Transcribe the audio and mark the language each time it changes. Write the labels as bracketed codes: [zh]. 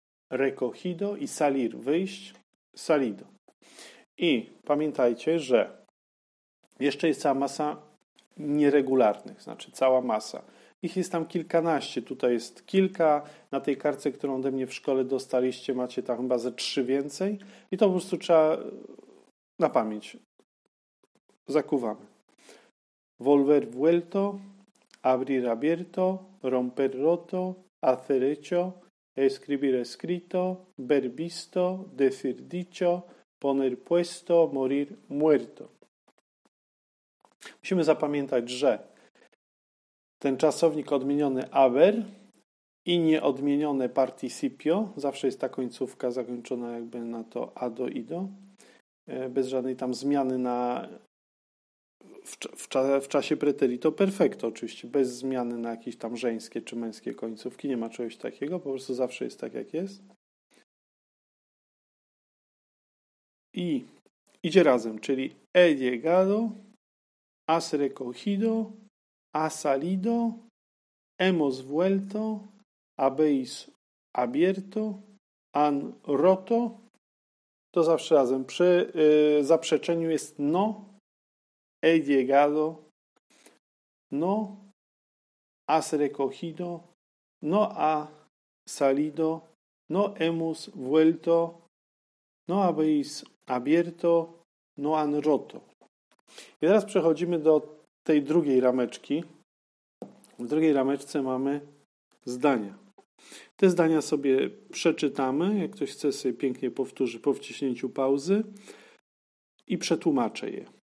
[pl] Recogido i salir, wyjść, salido. I pamiętajcie, że jeszcze jest cała masa nieregularnych, znaczy cała masa. Ich jest tam kilkanaście, tutaj jest kilka, na tej kartce, którą ode mnie w szkole dostaliście, macie tam chyba ze trzy więcej i to po prostu trzeba na pamięć. Zakuwamy. [es] Volver vuelto, abrir abierto, romper roto, hacer hecho, escribir escrito, ver visto, decir dicho, poner puesto, morir muerto. [pl] Musimy zapamiętać, że ten czasownik odmieniony aver i nieodmienione participio, zawsze jest ta końcówka zakończona jakby na to ado, ido, bez żadnej tam zmiany na w czasie preterito perfecto oczywiście, bez zmiany na jakieś tam żeńskie czy męskie końcówki, nie ma czegoś takiego, po prostu zawsze jest tak jak jest. I idzie razem, czyli [es] he llegado, has recogido, ha salido, hemos vuelto, habéis abierto, han roto. [pl] To zawsze razem. Przy zaprzeczeniu jest no, [es] he llegado, no, has recogido, no, ha salido, no, hemos vuelto, no, habéis abierto, no, han roto. [pl] I teraz przechodzimy do tej drugiej rameczki. W drugiej rameczce mamy zdania. Te zdania sobie przeczytamy, jak ktoś chce sobie pięknie powtórzy po wciśnięciu pauzy i przetłumaczę je.